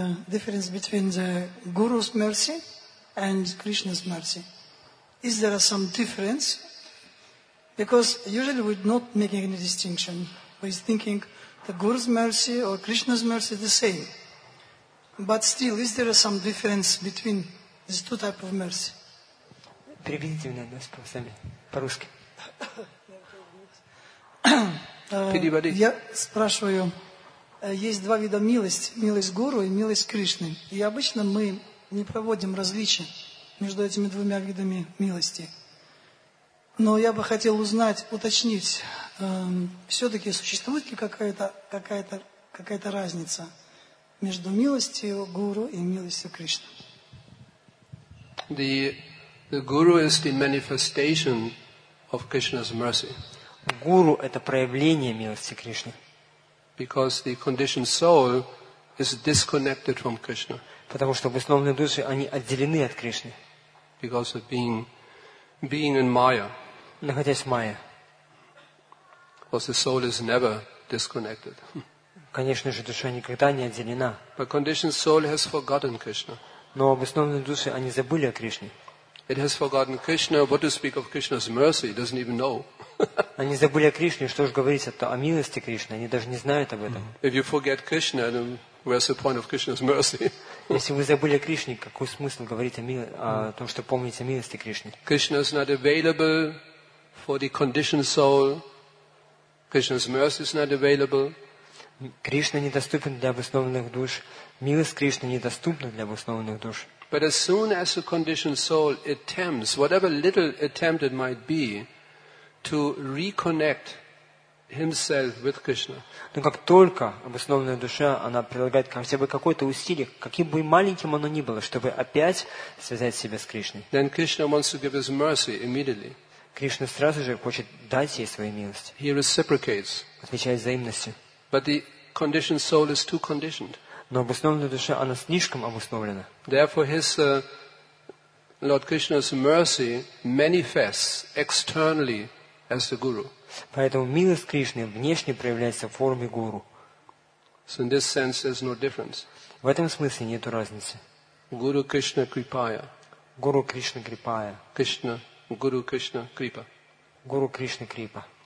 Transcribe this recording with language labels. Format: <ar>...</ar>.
<en>difference between the Guru's mercy and Krishna's mercy. Is there some difference? Because usually we're not making any distinction. We're thinking the Guru's mercy or Krishna's mercy is the same. But still, is there some difference between these two types of mercy?</en> <ru>Переведите мне нас сами по-русски. Переводи. Я спрашиваю, есть два вида милости, милость Гуру и милость Кришны. И обычно мы не проводим различия между этими двумя видами милости. Но я бы хотел узнать, уточнить, все-таки существует ли какая-то разница между милостью Гуру и милостью Кришны?</ru> <en>The Guru is the manifestation of Krishna's mercy.</en> <ru>Гуру – это проявление милости Кришны.</ru> <en>Because the conditioned soul is disconnected from Krishna.</en> <ru>Потому что обусловленные души, они отделены от Кришны.</ru> <en>Because of being in Maya.</en> <ru>Находясь в Майе.</ru> <en>Because the soul is never disconnected.</en> <ru>Конечно же, душа никогда не отделена.</ru> <en>But conditioned soul has forgotten Krishna.</en> <ru>Но обусловленные души, они забыли о Кришне.</ru> <en>It has forgotten Krishna. What to speak of Krishna's mercy? It doesn't even know.</en> <ru>Они забыли о Кришне. Что же говорить о милости Кришны? Они даже не знают об этом.</ru> <en>If you forget Krishna, then where's the point of Krishna's mercy?</en> <ru>Если вы забыли о Кришне, какой смысл говорить о том, что помните о милости Кришны?</ru> <en>Krishna is not available for the conditioned soul. Krishna's mercy is not available.</en> <ru>Кришна недоступен для обоснованных душ. Милость Кришны недоступна для обоснованных душ.</ru> <en>But as soon as a conditioned soul attempts, whatever little attempt it might be, to reconnect himself with Krishna.</en> <ru>Но как только обоснованная душа, она прилагает хотя бы какое-то усилие, каким бы маленьким оно ни было, чтобы опять связать себя с Кришной.</ru> <en>Then Krishna wants to give his mercy immediately.</en> <ru>Кришна сразу же хочет дать ей свою милость.</ru> <en>He reciprocates.</en> <ru>Отвечает взаимностью.</ru> <en>But the conditioned soul is too conditioned.</en> <ru>Но обусловленная душа, она слишком обусловлена.</ru> <en>Therefore, Lord Krishna's mercy manifests externally as the guru.</en> <ru>Поэтому милость Кришны внешне проявляется в форме гуру.</ru> <en>So in this sense, there's no difference.</en> <ru>В этом смысле нет разницы.</ru> <sa>Guru Krishna Kripaya. Guru Krishna Kripaya. Krishna, Guru Krishna Kripa. Guru Krishna Kripa.</sa>